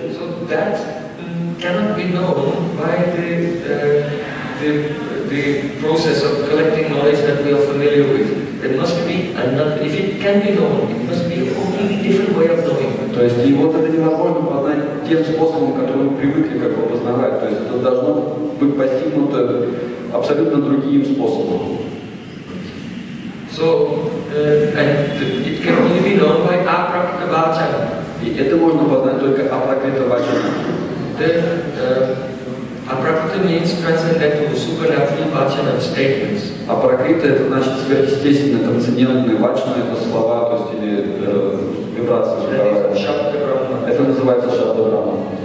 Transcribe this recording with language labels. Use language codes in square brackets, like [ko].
[en] So that cannot be known by the process of collecting knowledge that we are familiar with. It must be another. If it can be known, it must be a completely different way of knowing. [ru] То есть и вот это невозможно познать тем способом, которым мы привыкли как бы познавать. То есть это должно быть постигнуто абсолютно другим способом. [en] So and it can only be known by apraktita vachana. [ru] И это можно познать только апрактита [en] вачана. Apraktita means transcendental supernatural vachana statements. [ru] Апрактита это значит сверхъестественное, трансцендентное, вачана это слова, то есть или вибрации. Это называется шабда брахма.